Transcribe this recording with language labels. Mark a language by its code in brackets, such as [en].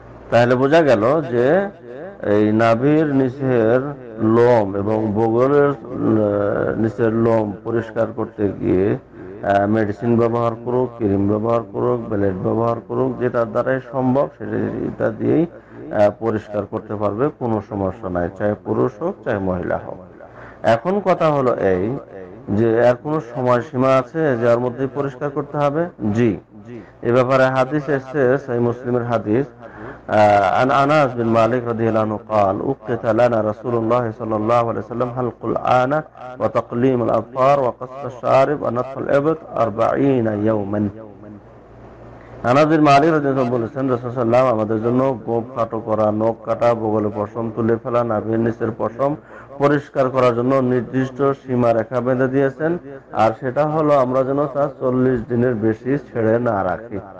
[bn] তাহলে বোঝা গেল যে এই নাভির নিচের লোম এবং বগলের নিচের লোম পরিষ্কার করতে গিয়ে মেডিসিন ব্যবহার করুক, ক্রিম ব্যবহার করুক, ব্লেড ব্যবহার করুক, যেটা দ্বারাই সম্ভব সেটা দিয়েই পরিষ্কার করতে পারবে, কোনো সমস্যা নাই, চাহে পুরুষ হোক চাহে মহিলা হোক। এখন কথা হলো এই যে এর কোনো সময়সীমা আছে যার মধ্যে পরিষ্কার করতে হবে? জি, এ ব্যাপারে হাদিস এসেছে সহি মুসলিমের হাদিস। [ar] عن أناس بن مالك رضي الله عنه قال أقت لنا رسول الله صلى الله عليه وسلم حلق الآنة وتقليم الأظفار وقص الشارب ونطف الإبط 40 يوما. أناس بن مالك رضي الله عنه بقول سيدنا رسول الله صلى الله عليه وسلم [bn] আমাদের জন্য গোব কাটো করা, নখ কাটা, বগলে পশম তুলে ফেলা, নাভির নিচের পশম পরিষ্কার করার জন্য নির্দিষ্ট সীমা রেখা বেঁধে দিয়েছেন, আর সেটা হলো আমরা যেন তা 40 দিনের বেশি ছেড়ে না রাখি।